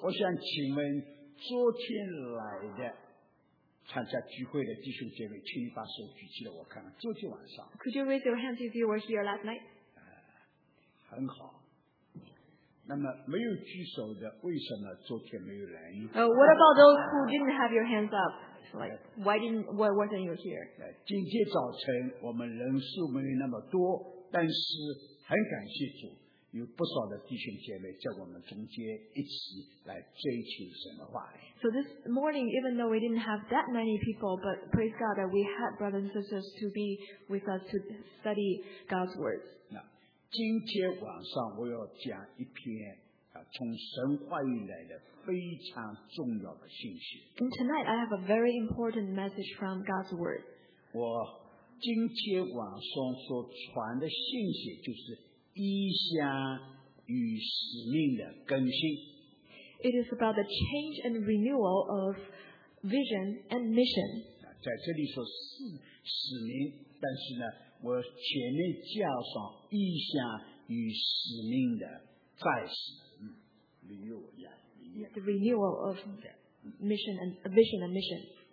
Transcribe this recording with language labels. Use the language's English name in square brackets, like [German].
[Chinese] 我想请问昨天来的参加聚会的弟兄姐妹，请你把手举起来，我看看。昨天晚上。 [English] Could you raise your hands if you were here last night? [Chinese] 很好。那么没有举手的，为什么昨天没有来？ [English] What about those who didn't have your hands up? Like, why wasn't you here? [Chinese] 今天早晨我们人数没有那么多，但是很感谢主。有不少的弟兄姐妹在我们中间一起来追求神的话语。 [English] So this morning, even though we didn't have that many people, but praise God that we had brothers and sisters to be with us to study God's words. [Chinese] 那今天晚上我要讲一篇从神话语来的非常重要的信息。 [English] And tonight I have a very important message from God's word. [Chinese] 我今天晚上所传的信息就是意向与使命的更新。 [English] It is about the change and renewal of vision and mission. [Chinese] 在这里说是使命，但是呢，我前面加上意向与使命的再使命。 [English] The renewal of mission and vision and mission.